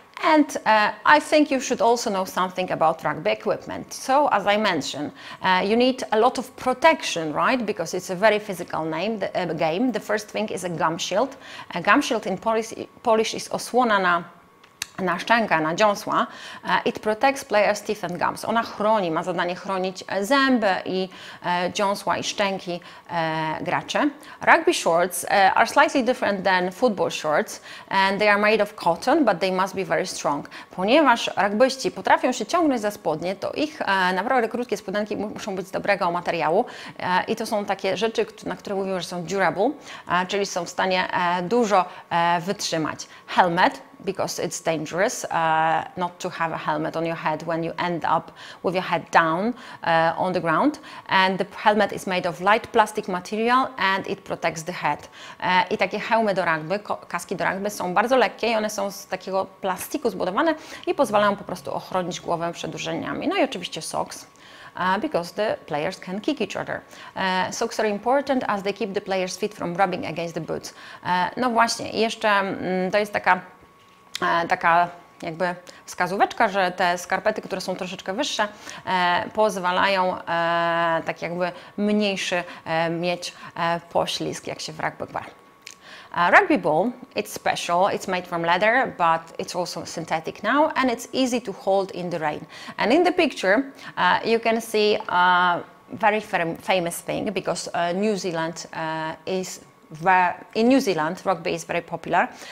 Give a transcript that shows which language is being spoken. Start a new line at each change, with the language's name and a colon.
English: And I think you should also know something about rugby equipment. So, as I mentioned, you need a lot of protection, right? Because it's a very physical game. The first thing is a gum shield. A gum shield in Polish is
Polish: osłona na na szczękę, na dziąsła,
English: it protects player's teeth and gums.
Polish: Ona chroni, ma zadanie chronić zęby i dziąsła i szczęki graczy.
English: Rugby shorts are slightly different than football shorts and they are made of cotton, but they must be very strong.
Polish: Ponieważ rugbyści potrafią się ciągnąć za spodnie, to ich naprawdę krótkie spodenki muszą być z dobrego materiału i to są takie rzeczy, na które mówimy, że są durable, czyli są w stanie dużo wytrzymać.
English: Helmet, because it's dangerous not to have a helmet on your head when you end up with your head down on the ground. And the helmet is made of light plastic material and it protects the head.
Polish: I takie hełmy do rugby, kaski do rugby są bardzo lekkie i one są z takiego plastiku zbudowane i pozwalają po prostu ochronić głowę przed uderzeniami. No i oczywiście socks.
English: Because the players can kick each other. Socks are important as they keep the players' feet from rubbing against the boots.
Polish: No właśnie, i jeszcze to jest taka jakby wskazóweczka, że te skarpety, które są troszeczkę wyższe, pozwalają tak jakby mniejszy mieć poślizg, jak się w rugby gra.
English: Rugby ball, it's special, it's made from leather, but it's also synthetic now and it's easy to hold in the rain. And in the picture, you can see a very famous thing because New Zealand is in New Zealand, rugby is very popular.